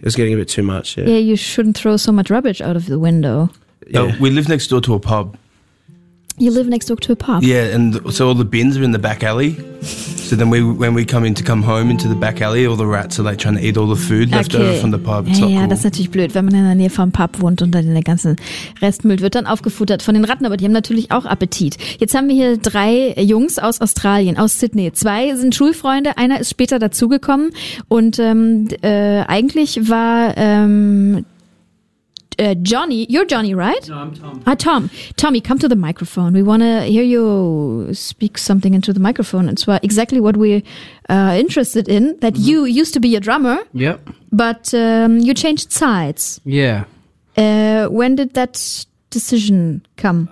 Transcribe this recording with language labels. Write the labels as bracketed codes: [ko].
[en] It was getting a bit too much. Yeah, yeah, you shouldn't throw so much rubbish out of the window. Yeah. We live next door to a pub. You live next door to a pub? Yeah, and so all the bins are in the back alley. So then when we come in to come home into the back alley, all the rats are like trying to eat all the food left over from the pub. [de] Ja, ja, das ist natürlich blöd, wenn man in der Nähe vom Pub wohnt und dann der ganze Restmüll wird dann aufgefuttert von den Ratten, aber die haben natürlich auch Appetit. Jetzt haben wir hier drei Jungs aus Australien, aus Sydney. Zwei sind Schulfreunde, einer ist später dazugekommen und eigentlich war Johnny, [en] you're Johnny, right? No, I'm Tom. Tommy, come to the microphone. We want to hear you speak something into the microphone. It's exactly what we're interested in, that mm-hmm. you used to be a drummer. Yep. But you changed sides. Yeah. When did that decision come?